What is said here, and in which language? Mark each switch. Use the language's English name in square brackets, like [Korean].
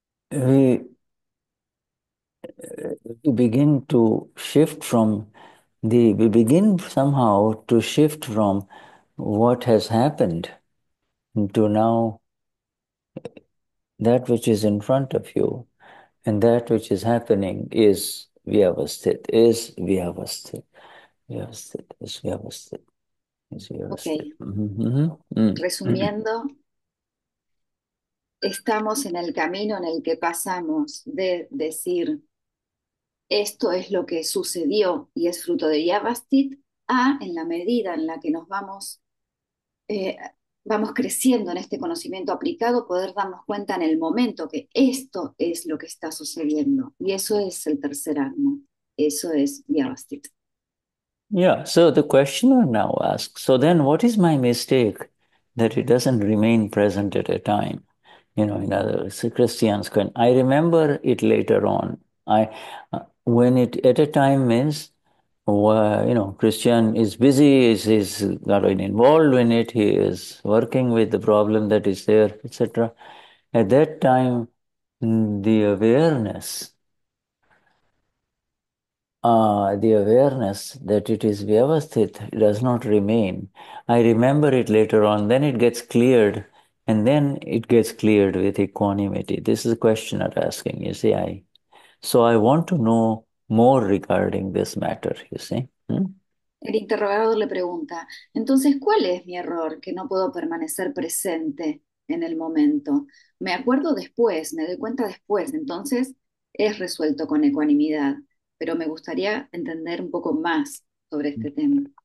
[English] we begin to shift from the, we begin somehow to shift from what has happened to now that which is in front of you, and that which is happening is Vyavasthit, is Vyavasthit, Vyavasthit, is Ok, Vyavasthit, [Spanish] resumiendo, estamos en el camino en el que pasamos de decir esto es lo que sucedió y es fruto de Yavastit, a en la medida en la que nos vamos, vamos creciendo en este conocimiento aplicado, poder darnos cuenta en el momento que esto es lo que está sucediendo. Y eso es el tercer alma, eso es Yavastit. [English] Yeah, so the questioner now asks, so then what is my mistake that it doesn't remain present at a time? In other words, the Christian's going, I remember it later on. When it at a time means, Christian is busy, he's got involved in it, he is working with the problem that is there, etc. At that time, the awareness that it is Vyavasthit does not remain. I remember it later on, then it gets cleared, and then it gets cleared with equanimity. This is a questioner asking, you see. I want to know more regarding this matter, you see. [Spanish] El interrogador le pregunta, entonces, ¿cuál es mi error que no puedo permanecer presente en el momento? Me acuerdo después, me doy cuenta después, entonces es resuelto con ecuanimidad, pero me gustaría entender un poco más sobre este tema.